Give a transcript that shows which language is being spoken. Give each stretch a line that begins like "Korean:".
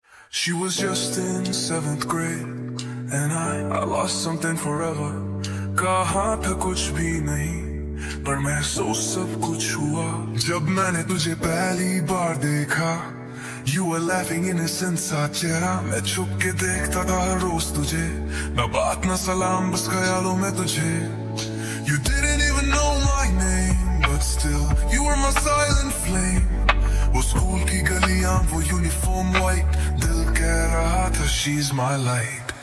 English: She was just in seventh grade, and I lost something forever.
Hindi: कहाँ था कुछ भी नहीं, पर मैं सो सब कुछ हुआ. जब मैंने तुझे पहली बार देखा,
English: you were laughing innocent
Hindi: सा चेहरा. मैं छुप के देखता था हर रोज तुझे, न बात न सलाम, बस ख्यालों में तुझे.
English: You didn't even know my name, but still you were my silent flame.
Hindi: वो स्कूल की गलियां, वो यूनिफॉर्म व्हाइट, दिल कह रहा था
English: she's my light.